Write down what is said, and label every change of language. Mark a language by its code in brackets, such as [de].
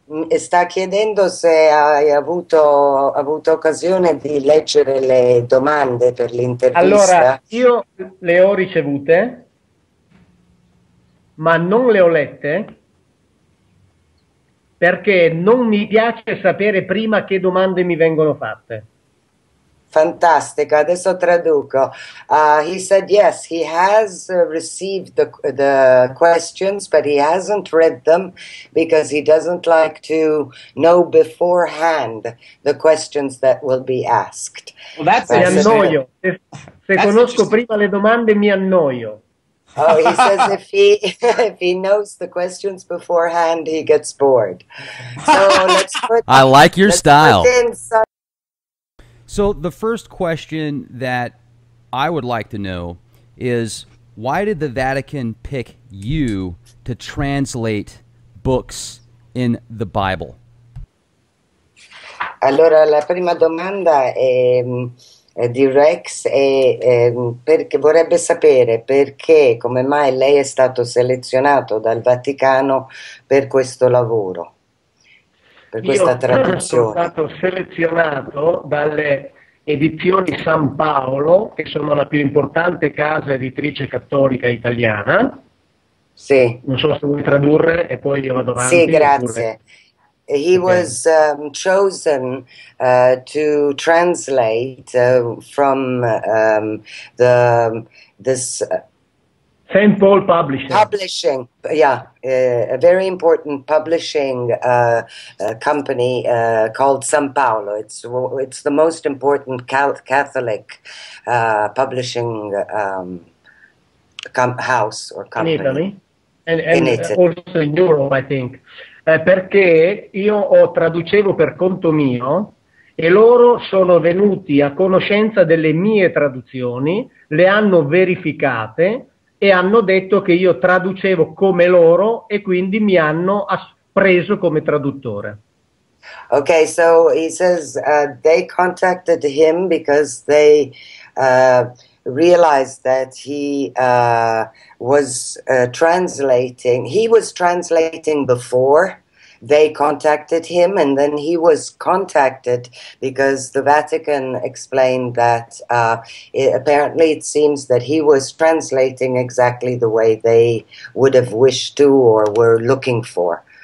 [it] Sta chiedendo se hai avuto occasione di leggere le domande per l'intervista. Allora, io le ho ricevute, ma non le ho lette, perché non mi piace sapere prima che domande mi vengono fatte. Fantastico, adesso traduco. [en] He said yes, he has received the questions, but he hasn't read them because he doesn't like to know beforehand the questions that will be asked. Well, that's [it] mi annoio. Se that's conosco prima le domande, mi annoio. [en] Oh, he says if he knows the questions beforehand, he gets bored. I like your style. So the first question that I would like to know is, why did the Vatican pick you to translate books in the Bible? [it] Allora, la prima domanda è di Rex e perché vorrebbe sapere perché, come mai lei è stato selezionato dal Vaticano per questo lavoro. Per questa traduzione. Io sono stato selezionato dalle edizioni San Paolo, che sono la più importante casa editrice cattolica italiana. Sì. Non so se vuoi tradurre e poi io vado avanti. Sì, grazie. [en] He was chosen to translate from this St. Paul Publishing. Publishing, yeah, a very important publishing company called San Paolo. It's the most important Catholic publishing house or company. In Italy. Also in Europe, I think. [it] Perché io ho traducevo per conto mio e loro sono venuti a conoscenza delle mie traduzioni, le hanno verificate e hanno detto che io traducevo come loro e quindi mi hanno preso come traduttore. [en] Okay, so he says they contacted him because they realized that he was translating. He was translating before they contacted him, and then he was contacted because the Vatican explained that apparently it seems that he was translating exactly the way they would have wished to or were looking for.